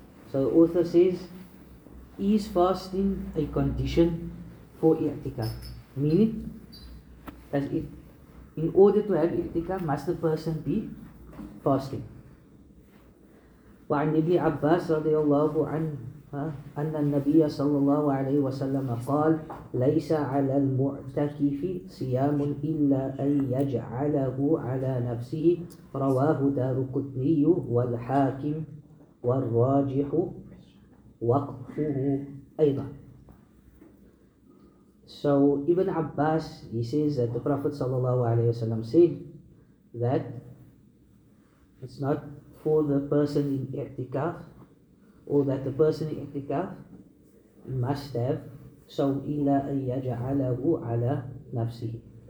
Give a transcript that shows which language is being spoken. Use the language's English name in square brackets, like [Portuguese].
[English] So the author says, is fasting a condition for I'tikaf? Meaning, that in order to have I'tikaf, must the person be fasting? [Arabic] Wa an Ibn Abbas radiallahu anhu, أن النبي صلى الله عليه وسلم قال ليس على المعتكف صيام إلا أن يجعله على نفسه رواه دارقطني والحاكم والراجح وقفه أيضا. [English] So Ibn Abbas, he says that the Prophet صلى الله عليه وسلم said that it's not for the person in i'tikaf, or that the person in i'tikaf must have [Arabic] sawm illa an yaj'alahu ala nafsihi.